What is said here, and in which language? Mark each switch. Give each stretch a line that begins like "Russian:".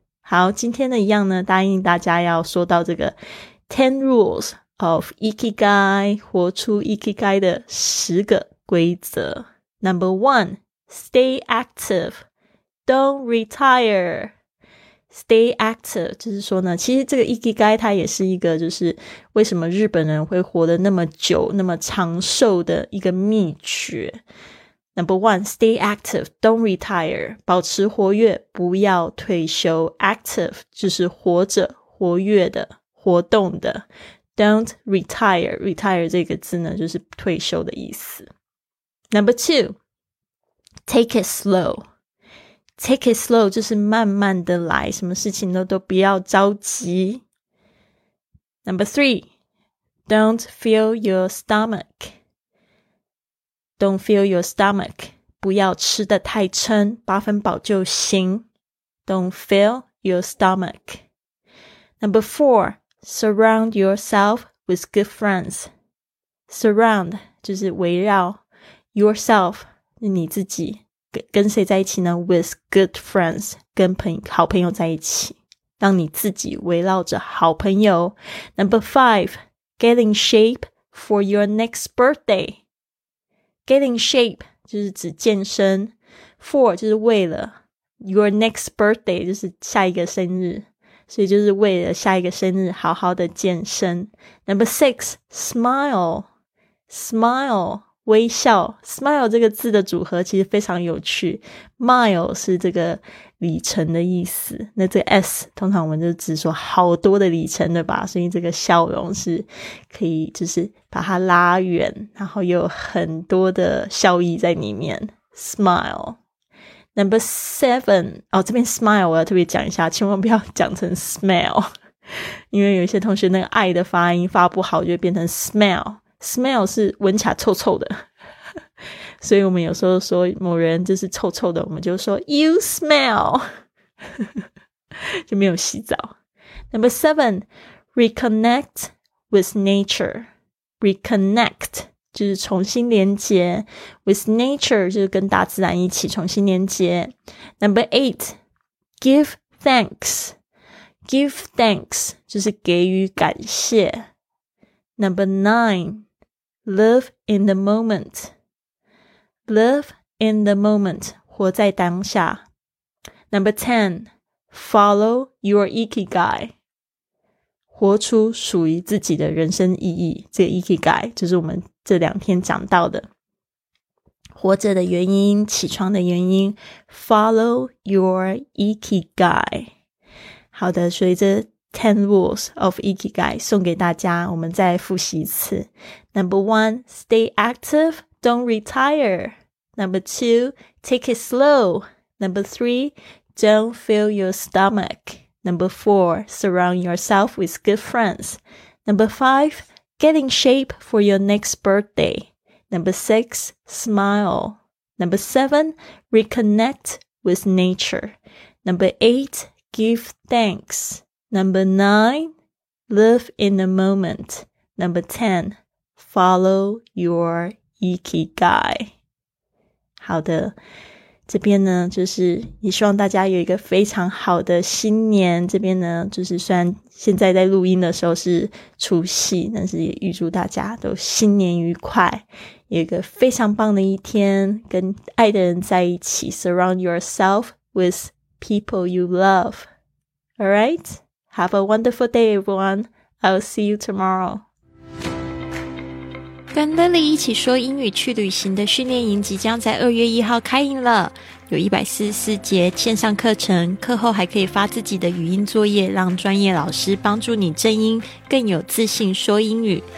Chinese: 好，今天的一样呢，答应大家要说到这个 10 Rules of Ikigai， 活出 Ikigai 的十个规则。
English: Number 1， Stay Active， Don't Retire。 Stay Active
Chinese: 就是说呢，其实这个 Ikigai 它也是一个就是为什么日本人会活得那么久那么长寿的一个秘诀。
English: Number one, stay active, don't retire，
Chinese: 保持活跃不要退休。 Active 就是活着活跃的活动的，
English: don't retire，
Chinese: retire 这个字呢就是退休的意思。
English: Number two, take it slow，
Chinese: take it slow 就是慢慢的来，什么事情都不要着急。
English: Number three, don't fill your stomach. Don't fill your stomach.
Chinese: 不要吃得太撑，八分饱就行。
English: Don't fill your stomach. Number four, surround yourself with good friends.
Chinese: Surround 就是围绕 yourself 你自己 跟谁在一起呢？
English: With good friends
Chinese: 跟好朋友在一起。让你自己围绕着好朋友。
English: Number five, get in shape for your next birthday. Get in shape
Chinese: 就是指健身， for 就是为了，
English: your next birthday
Chinese: 就是下一个生日，所以就是为了下一个生日好好的健身。
English: Number six, smile， smile 微笑。
Chinese: smile 这个字的组合其实非常有趣， mile 是这个里程的意思，那这个 S 通常我们就只说好多的里程对吧，所以这个笑容是可以就是把它拉远，然后又有很多的笑意在里面， smile。
English: Number 7，
Chinese: 哦，这边 smile 我要特别讲一下，千万不要讲成 smell， 因为有一些同学那个 I 的发音发不好就会变成 smell， smell 是闻起来臭臭的，所以我们有时候说某人就是臭臭的，我们就说
English: You smell，
Chinese: 就没有洗澡。
English: Number seven, reconnect with nature.
Chinese: Reconnect 就是重新连接，
English: with nature
Chinese: 就是跟大自然一起重新连接。
English: Number eight, give thanks. Give thanks
Chinese: 就是给予感谢。
English: Number nine, live in the momentLive in the moment，
Chinese: 活在当下。
English: Number 10， follow your Ikigai，
Chinese: 活出属于自己的人生意义。这个 Ikigai 就是我们这两天讲到的活着的原因，起床的原因，
English: follow your Ikigai。
Chinese: 好的，所以这10 rules of Ikigai 送给大家，我们再复习一次。
English: Number 1， stay active， don't retireNumber 2, take it slow. Number 3, don't fill your stomach. Number 4, surround yourself with good friends. Number 5, get in shape for your next birthday. Number 6, smile. Number 7, reconnect with nature. Number 8, give thanks. Number 9, live in the moment. Number 10, follow your Ikigai.
Chinese: 好的，这边呢就是也希望大家有一个非常好的新年，这边呢就是虽然现在在录音的时候是除夕，但是也预祝大家都新年愉快，有一个非常棒的一天，跟爱的人在一起。
English: Surround yourself with people you love. Alright? Have a wonderful day, everyone. I'll see you tomorrow.
Chinese: 跟 Lily 一起说英语去旅行的训练营即将在2月1号开营了，有144节线上课程，课后还可以发自己的语音作业，让专业老师帮助你正音，更有自信说英语。